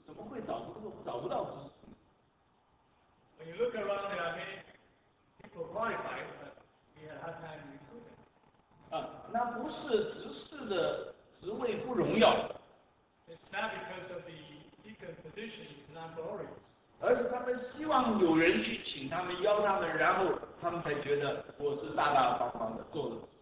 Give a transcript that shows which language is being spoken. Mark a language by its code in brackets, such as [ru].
[zh] 在想象当中呢，应当有这么多的人都合适做执事，怎么会找不到执事？ [en] When you look around, there are many people qualified, but we had a hard time recruiting. [zh] 那不是执事的。职位不荣耀， [en] it's not because of the deacon position is not glorious. [zh] 而是他们希望有人去请他们邀他们，然后他们才觉得我是大大方方的做的。